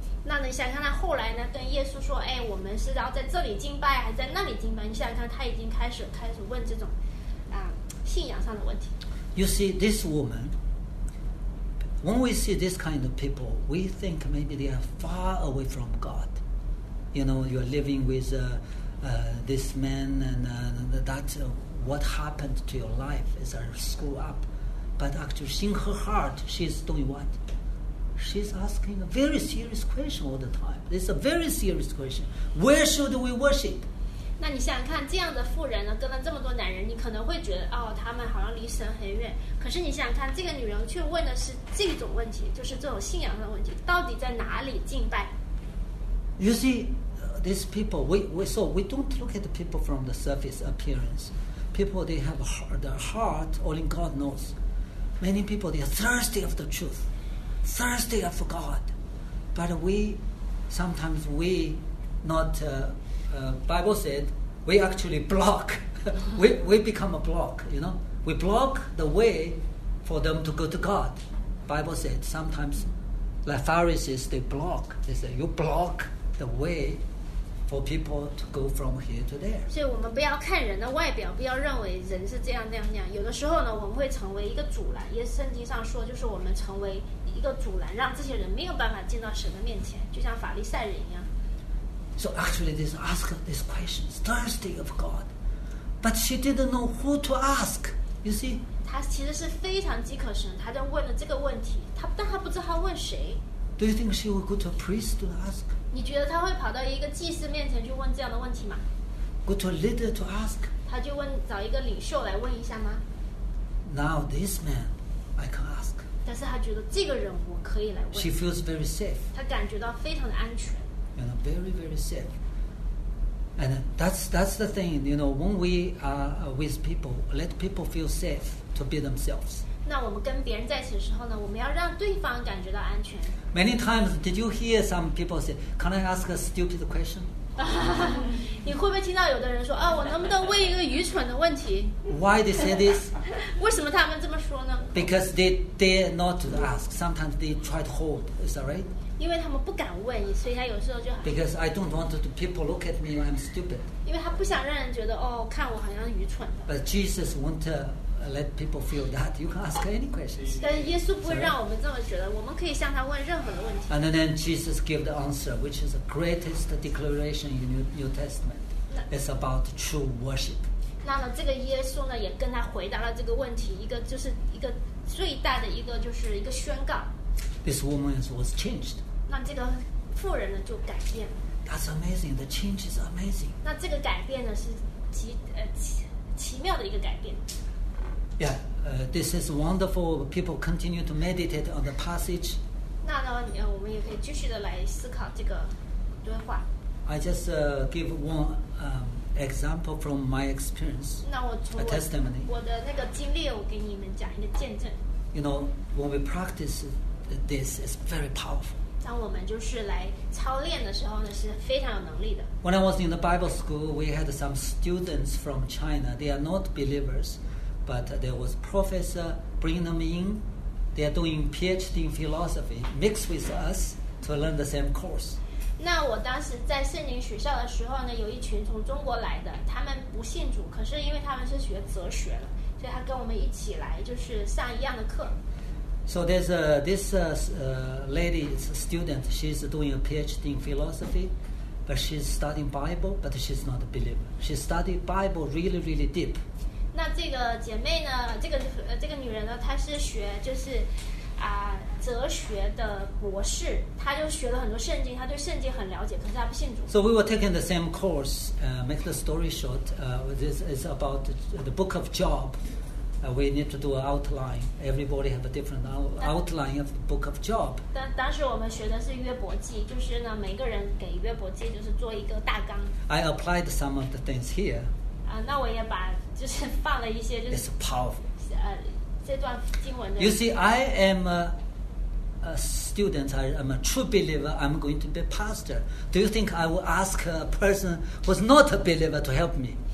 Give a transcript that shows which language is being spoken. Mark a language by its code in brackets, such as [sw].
[zh] 那你想看他后来呢跟耶稣说，哎，我们是要在这里敬拜还在那里敬拜，你想看他已经开始问这种信仰上的问题。 [en] You see, this woman, when we see this kind of people, we think maybe they are far away from God. You know, you're living with this man and that's what happened to your life as I screw up. But actually, in her heart, she's doing what? She's asking a very serious question all the time. It's a very serious question. Where should we worship? [zh] 那你想想看，这样的妇人呢，跟了这么多男人，你可能会觉得，哦，他们好像离神很远。可是你想想看，这个女人却问的是这种问题，就是这种信仰的问题，到底在哪里敬拜？ [en] You see, these people, we don't look at the people from the surface appearance. People, they have their heart, only God knows. Many people, they are thirsty of the truth, thirsty of God. But Bible said, we actually block. we become a block, you know. We block the way for them to go to God. Bible said, sometimes, like Pharisees, they block. They say, you block. The way for people to go from here to there. [zh] 所以我们不要看人的外表，不要认为人是这样那样那样。有的时候呢，我们会成为一个阻拦。耶稣圣经上说，就是我们成为一个阻拦，让这些人没有办法进到神的面前，就像法利赛人一样。 [en] So actually, this ask this question, thirsty of God, but she didn't know who to ask. You see, [zh] 她其实是非常饥渴神，她在问了这个问题，但她不知道问谁。 [en] Do you think she would go to a priest to ask? [zh] 你觉得他会跑到一个祭司面前去问这样的问题吗？ [en] Go to a leader to ask. [zh] 他就问找一个领袖来问一下吗？ [en] Now this man, I can ask. [zh] 但是他觉得这个人我可以来问。 [en] She feels very safe. [zh] 他感觉到非常的安全。 [en] You know, very very safe. And that's the thing. You know, when we are with people, let people feel safe to be themselves. [zh] 那我们跟别人在一起的时候呢，我们要让对方感觉到安全。 [en] Many times, did you hear some people say, "Can I ask a stupid question?" [zh] 你会不会听到有的人说，啊，我能不能问一个愚蠢的问题 [en] ？Why they say this? [zh] 为什么他们这么说呢 [en] ？Because they dare not to ask. Sometimes they try to hold. Is that right? [zh] 因为他们不敢问，所以他有时候就。 [en] Because I don't want the people look at me when I'm stupid. [zh] 因为他不想让人觉得，哦，看我好像愚蠢的。 [en] But Jesus won't. Let people feel that you can ask any questions. [zh] 但耶稣不会让我们这么觉得，我们可以向他问任何的问题。 [en] And then Jesus gave the answer, which is the greatest declaration in New Testament. It's about true worship. [zh] 那么这个耶稣呢，也跟他回答了这个问题，一个就是一个最大的一个就是一个宣告。 [en] This woman was changed. [zh] 那这个妇人呢就改变了。 [en] That's amazing. The change is amazing. [zh] 那这个改变呢是奇妙的一个改变。 [en] Yeah, this is wonderful. People continue to meditate on the passage. [zh] 那呢，我们也可以继续的来思考这个对话。 [en] I just give one example from my experience. [zh] 那我从 [en] a testimony. [zh] 我的那个经历，我给你们讲一个见证。 [en] You know, when we practice this, it's very powerful. [zh] 当我们就是来操练的时候呢，是非常有能力的。 [en] When I was in the Bible school, we had some students from China. They are not believers. But there was a professor bringing them in. They are doing PhD in philosophy, mixed with us to learn the same course. [zh] 那我当时在圣灵学校的时候呢，有一群从中国来的，他们不信主，可是因为他们是学哲学的，所以他跟我们一起来，就是上一样的课。 [en] So there's this lady, it's a student. She's doing a PhD in philosophy, but she's studying Bible, but she's not a believer. She studied Bible really, really deep. [zh] 那这个姐妹呢？这个女人呢？她是学就是哲学的博士，她就学了很多圣经，她对圣经很了解，可是她不信主。 [en] So we were taking the same course. Make the story short. This is about the book of Job. We need to do an outline. Everybody have a different outline of the book of Job. [zh] 当时我们学的是约伯记，就是呢，每个人给约伯记就是做一个大纲。 [en] I applied some of the things here. [zh] 那我也把就是放了一些就是。 [en] It's powerful. [zh] 这段经文的。 [en] You see, I am a student, I'm a true believer, I'm going to be a pastor. Do you think I will ask a person who's not a believer to help me?